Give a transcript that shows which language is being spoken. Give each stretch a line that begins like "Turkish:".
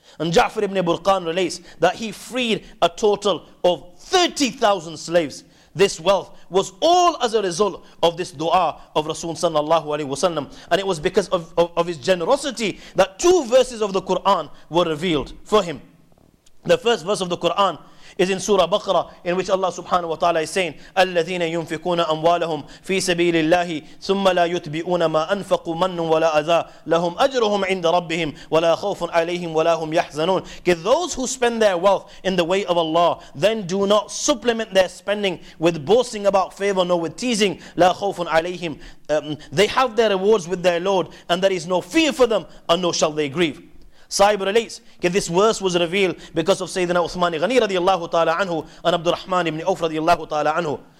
English: And Ja'far ibn Burqan relates that he freed a total of 30,000 slaves. This wealth was all as a result of this dua of Rasul sallallahu alayhi wasallam. And it was because of his generosity that two verses of the Quran were revealed for him. The first verse of the Quran is in Surah Baqarah, in which Allah subhanahu wa ta'ala is saying,
Arabic: الَّذِينَ يُنْفِقُونَ أَمْوَالَهُمْ فِي سَبِيلِ اللَّهِ ثُمَّ لَا يُتْبِئُونَ مَا أَنْفَقُوا مَنُّ وَلَا أَذَى لَهُمْ أَجْرُهُمْ عِنْدَ رَبِّهِمْ وَلَا خَوْفٌ عَلَيْهِمْ وَلَا هُمْ يَحْزَنُونَ.
English: Okay, those who spend their wealth in the way of Allah, then do not supplement their spending with boasting about favor nor with teasing.
Arabic: لَا خَوْفٌ عَلَيْهِمْ,
English: they have their rewards with their Lord, and there is no fear for them, and nor shall they grieve. Sahib relates, okay, this verse was revealed because of Sayyidina Uthman Ghani radiallahu ta'ala anhu and Abdurrahman ibn Auf radiallahu ta'ala anhu.